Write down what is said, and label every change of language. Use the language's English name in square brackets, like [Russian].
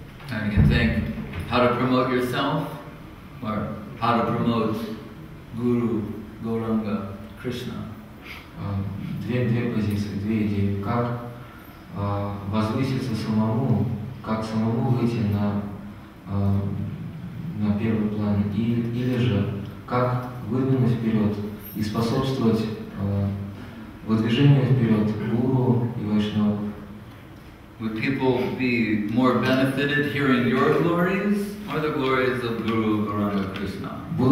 [English] And you can think how to promote yourself or how to promote Guru, Gauranga, Krishna. [Russian] Две позиции, две идеи. Как возвыситься самому, как самому выйти на первый план, или же как выдвинуть вперед и способствовать выдвижение вперед гуру и вайшнава. [English] Would people be more benefited hearing your glories or the glories of Guru Gauranga Krishna?